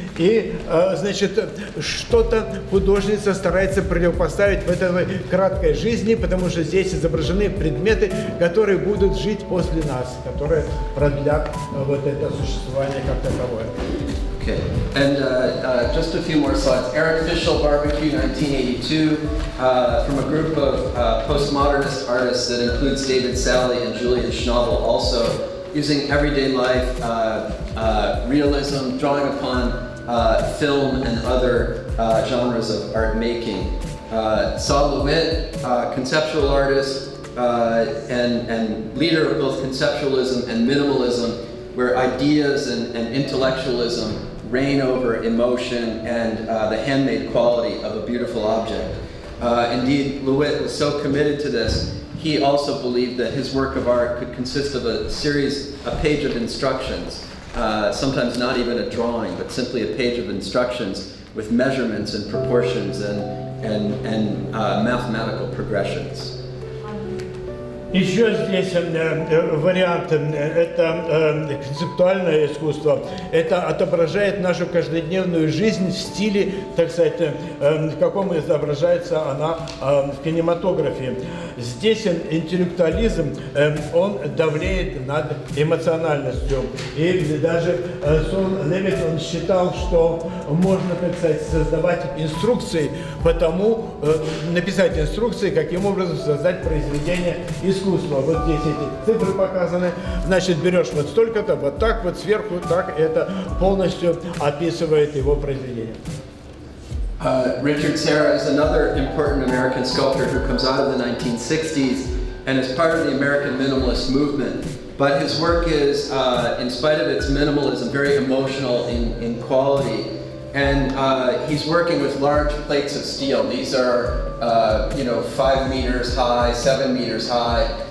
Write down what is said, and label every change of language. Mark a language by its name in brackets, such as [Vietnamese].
[Russian] И, значит, что-то художница старается противопоставить в этой краткой жизни, потому что здесь изображены предметы, которые будут жить после нас, которые продлят вот это существование как таковое. [English] Okay. And just a few more slides. Eric Fischel, Barbecue 1982, from a group of postmodernist artists that includes David Sally and Julian Schnabel, also using everyday life, realism, drawing upon film and other genres of art making. Saul Lewitt, conceptual artist and leader of both conceptualism and minimalism, where ideas and intellectualism reign over emotion and the handmade quality of a beautiful object. Indeed, Lewitt was so committed to this, he also believed that his work of art could consist of a page of instructions, sometimes not even a drawing, but simply a page of instructions with measurements and proportions and mathematical progressions. [Russian] Еще здесь вариант – это концептуальное искусство. Это отображает нашу каждодневную жизнь в стиле, так сказать, в каком изображается она в кинематографии. Здесь интеллектуализм, он давлеет над эмоциональностью. И даже Сон Левит, он считал, что можно, так сказать, создавать инструкции, потому написать инструкции, каким образом создать произведение искусства. Вот здесь эти цифры показаны. Значит, берешь вот столько-то, вот так вот сверху, так это полностью описывает его произведение. [English] Richard Serra is another important American sculptor who comes out of the 1960s and is part of the American minimalist movement. But his work is, in spite of its minimalism, very emotional in quality. And he's working with large plates of steel. These are, 5 meters high, 7 meters high.